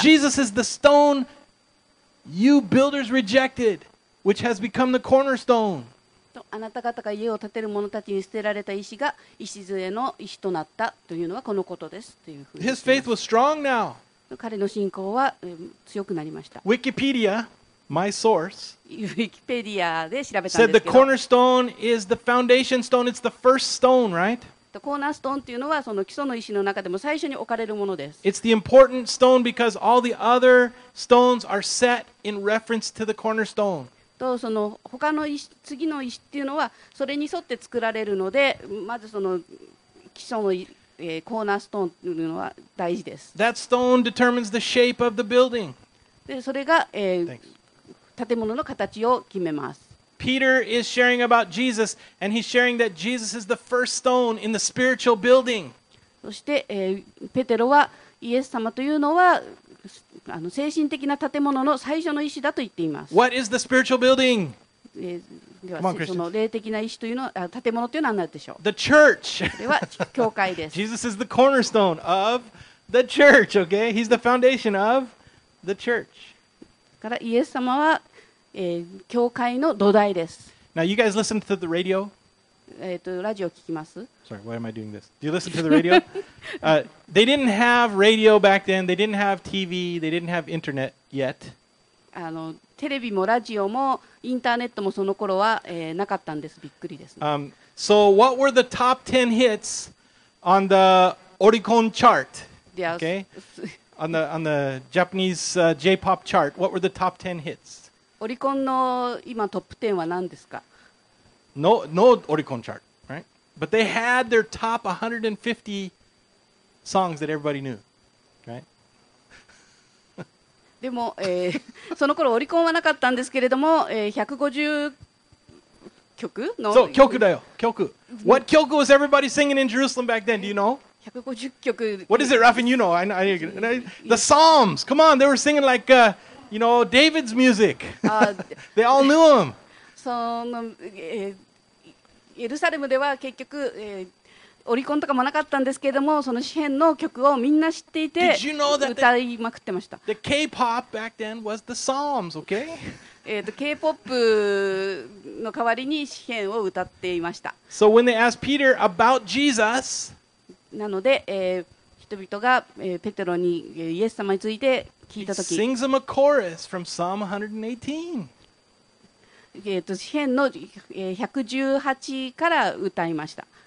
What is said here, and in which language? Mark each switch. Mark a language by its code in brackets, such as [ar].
[en] And he says, Jesus is the stone you builders rejected, which has become the cornerstone. [ja] とあなた方が家を建てる者たちに捨てられた石が礎の石となったというのはこのことですというふうに言います [en] His faith was strong now. [ja] 彼の信仰は、強くなりました。 [en] Wikipedia, my source, [ja] Wikipedia で調べたんですけど、 [en] said the cornerstone is the foundation stone. It's the first stone, right? [ja] The cornerstone というのはその基礎の石の中でも最初に置かれるものです。 [en] It's the important stone because all the other stones are set in reference to the cornerstone. [ja] とその他の石、次の石っていうのはそれに沿って作られるので、まずその基礎の石。コーナーストーンというのは大事です。 [en] That stone determines the shape of the building. [ja] で、それが、建物の形を決めます。 [en] Peter is sharing about Jesus, and he's sharing that Jesus is the first stone in the spiritual building. [ja] そして、ペテロはイエス様というのは、あの精神的な建物の最初の石だと言っています。 [en] What is the spiritual building? [ja] ではその霊的な石というのは建物というのは何なんでしょう。 [en] The church. [ja] では教会です。 [en] Jesus is the cornerstone of the church. Okay, he's the foundation of the church. [ja] からイエス様は、教会の土台です。 [en] Now you guys listen to the radio. [ja] ラジオ聞きます。 [en] Sorry, why am I doing this? Do you listen to the radio? they didn't have radio back then. They didn't have TV. They didn't have internet yet. [ja] あのテレビもラジオもインターネットもその頃は、なかったんです。びっくりです、ね。 [en] So what were the top 10 hits on the Oricon chart? Yeah. Okay. on the Japanese、J-pop chart, what were the top 10 hits? [ja] Oricon の今トップ10は何ですか [en] ？No, no Oricon chart, right? But they had their top 150 songs that everybody knew. [ja] でも、その頃オリコンはなかったんですけれども、150曲の。そう、曲だよ、曲。 [en] What 曲 was everybody singing in Jerusalem back then? Do you know? [ja] 150曲。 [en] What is it, Raffin? You know? I the Psalms. Come on, they were singing like, you know, David's music. they all knew him. [ja] その、エルサレムでは結局、オリコンとかもなかったんですけれども、その詩編の曲をみんな知っていて、 [en] you know the, [ja] 歌いまくってました。 [en] The K-pop back then was the Psalms, okay? [ja] K-pop の代わりに詩編を歌っていました。 [en] So when they asked Peter about Jesus, [ja] なので、人々が、ペテロにイエス様について聞いたとき、 [en] he sings them a chorus from Psalm 118. [ja] 詩編の、118から歌いました。